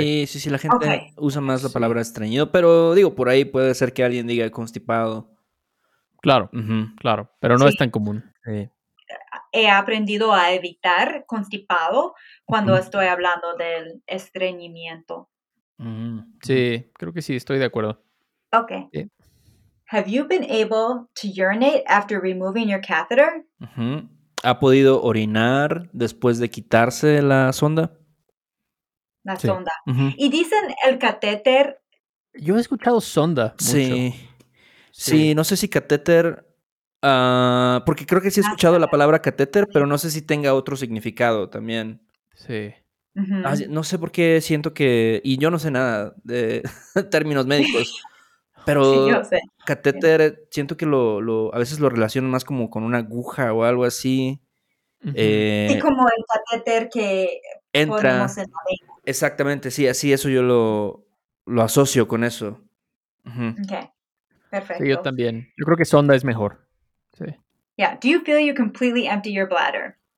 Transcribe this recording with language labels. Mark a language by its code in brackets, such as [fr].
[es] Sí, sí, sí, la gente okay usa más la palabra estreñido, pero digo, por ahí puede ser que alguien diga constipado. Claro, uh-huh, claro, pero no sí es tan común. Sí. He aprendido a evitar constipado cuando uh-huh estoy hablando del estreñimiento. Uh-huh. Sí, creo que sí, estoy de acuerdo. Ok. Sí. [en] Have you been able to urinate after removing your catheter? Uh-huh. [es] ¿Ha podido orinar después de quitarse la sonda? La sí sonda. Uh-huh. Y dicen el catéter. Yo he escuchado sonda mucho. Sí, sí, sí, no sé si catéter, porque creo que sí he escuchado la palabra catéter, pero no sé si tenga otro significado también. Sí. Uh-huh. Así, no sé por qué siento que, y yo no sé nada de términos médicos, pero sí, yo sé. Catéter sí siento que lo a veces lo relacionan más como con una aguja o algo así. Uh-huh. Sí, como el catéter que entra. Exactamente, sí, así eso yo lo asocio con eso. Uh-huh. Ok, perfecto. Sí, yo también. Yo creo que sonda es mejor. Sí. [en] Yeah, do you feel you completely empty your bladder?